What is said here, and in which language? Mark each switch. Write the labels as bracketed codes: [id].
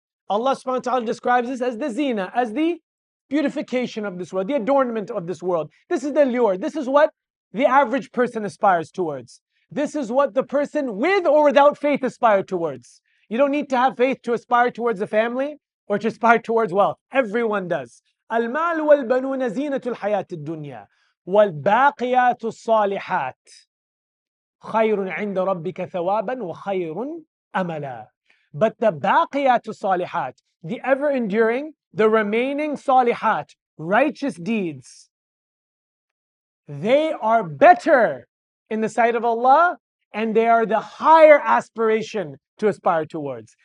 [en] Allah subhanahu wa ta'ala describes this as the zina, as the beautification of this world, the adornment of this world. This is the lure. This is what the average person aspires towards. This is what the person with or without faith aspires towards. You don't need to have faith to aspire towards a family or to aspire towards wealth. Everyone does. [ar] Al-mal wal-banuna zinatul hayat al-dunya. والباقيات الصالحات خير عند ربك ثوابا وخير أملا. [en] But the [ar] باقيات الصالحات, [en] the ever enduring, the remaining صالحات, righteous deeds, they are better in the sight of Allah, and they are the higher aspiration to aspire towards.